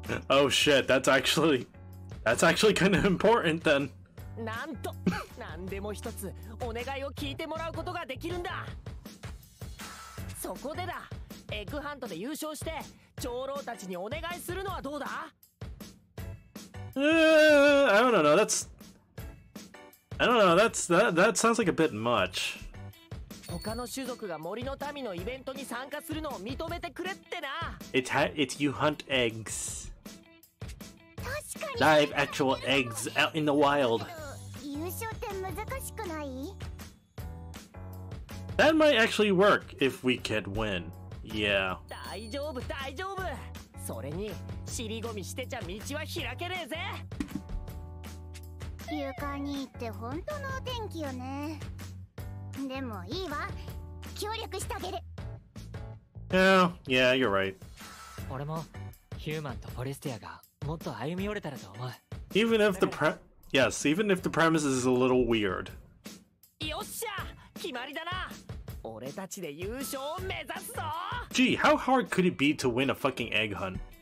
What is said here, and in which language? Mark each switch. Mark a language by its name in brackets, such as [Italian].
[English] Oh shit, that's actually kind of important then. [Japanese] なんと、何でも一つお願いを聞いてもらうことができるんだ。そこでだ、エッグハントで優勝して長老たちにお願いするのはどうだ？ [English] I don't know. That sounds like a bit much. [Japanese] 他の種族が森の民のイベントに参加するのを認めてくれってな。 [English] It's you hunt eggs. [Japanese] 確かに。 [English] Live actual eggs out in the wild. [Japanese] 優勝って難しくない？ [English] That might actually work if we could win. Yeah. [Japanese] 大丈夫、大丈夫。それに尻込みしてちゃ道は開けねえぜ。ゆかにって本当のお天気よね。でもいいわ、協力してあげる。 [English] Yeah, you're right. [Japanese] 俺もヒューマンとフォレスティアがもっと歩み寄れたらと思う。 [English] Even if the premise is a little weird. [Japanese] よっしゃ、決まりだな。俺たちで優勝を目指すぞ。 [English] Gee, how hard could it be to win a fucking egg hunt?